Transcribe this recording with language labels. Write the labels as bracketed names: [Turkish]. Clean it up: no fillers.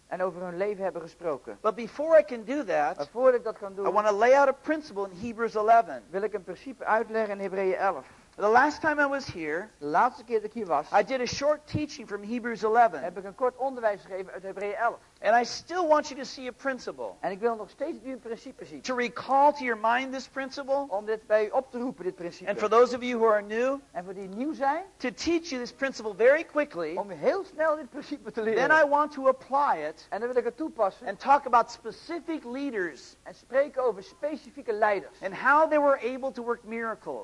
[Dutch] En over hun leven hebben gesproken. [English] But before I can do that, [Dutch] maar voordat ik dat kan doen, [English] I want to lay out a principle in Hebrews 11. [Dutch] Wil ik een principe uitleggen in Hebreeën 11. [English] The last time I was here, [Dutch] de laatste keer dat ik hier was, [English] I did a short teaching from Hebrews 11. [Dutch] Heb ik een kort onderwijs gegeven uit Hebreeën 11. [English] And I still want you to see a principle. [Dutch] En ik wil nog steeds dat u een principe ziet. [English] To recall to your mind this principle. [Dutch] Om dit bij u op te roepen, dit principe. [English] And for those of you who are new, [Dutch] en voor die nieuw zijn, [English] to teach you this principle very quickly. [Dutch] Om heel snel dit principe te leren. [English] Then I want to apply it. [Dutch] En dan wil ik het toepassen. [English] And talk about specific leaders. [Dutch] En spreken over specifieke leiders. [English] And how they were able to work miracles.